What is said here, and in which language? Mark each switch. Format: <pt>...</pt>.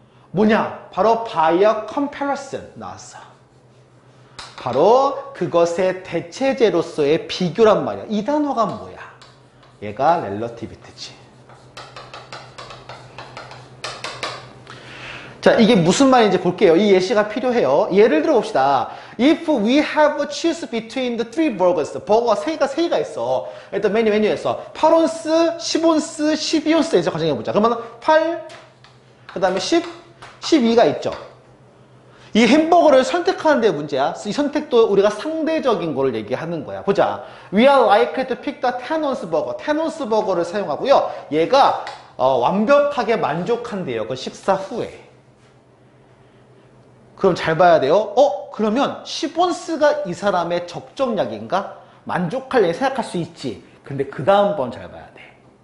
<ko>뭐냐? 바로</ko> <en>by a comparison</en> <ko>나왔어. 바로 그것의 대체재로서의 비교란 말이야. 이 단어가 뭐야? 얘가 relativity지. 자, 이게 무슨 말인지 볼게요. 이 예시가 필요해요. 예를 들어 봅시다.</ko> <en>If we have a choice between the three burgers.</en> <ko>버거 세 개가 있어. 일단 메뉴에서 8온스, 10온스, 12온스에서 가정해 보자. 그러면 8, 그다음에 10, 12가 있죠. 이 햄버거를 선택하는 데 문제야. 이 선택도 우리가 상대적인 거를 얘기하는 거야. 보자.</ko> <en>We are likely to pick the</en> <ko>10온스 버거. 10온스 버거를 사용하고요. 얘가 완벽하게 만족한대요. 그 식사 후에. 그럼 잘 봐야 돼요. 그러면 10온스가 이 사람의 적정량인가? 만족할래 생각할 수 있지. 근데 그 다음번 잘 봐야 돼.</ko>